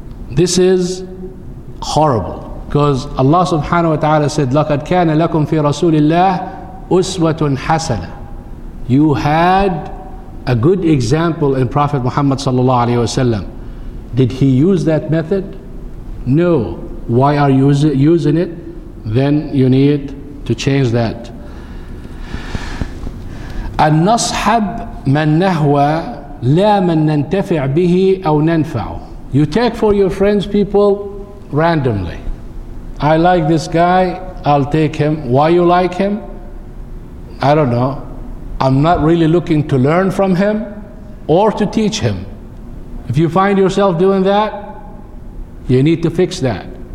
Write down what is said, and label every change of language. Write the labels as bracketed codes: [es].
[en] This is horrible, because Allah subhanahu wa ta'ala said, [ar] لَقَدْ كَانَ لَكُمْ فِي رَسُولِ اللَّهِ أُسْوَةٌ حَسَنَةٌ. [en] You had a good example in Prophet Muhammad sallallahu alayhi wa sallam. Did he use that method? No. Why are you using it? Then you need to change that. [ar] النصحب من نهوى لا من ننتفع به أو ننفع. [en] You take for your friends people randomly. I like this guy, I'll take him. Why you like him? I don't know. I'm not really looking to learn from him or to teach him. If you find yourself doing that, you need to fix that.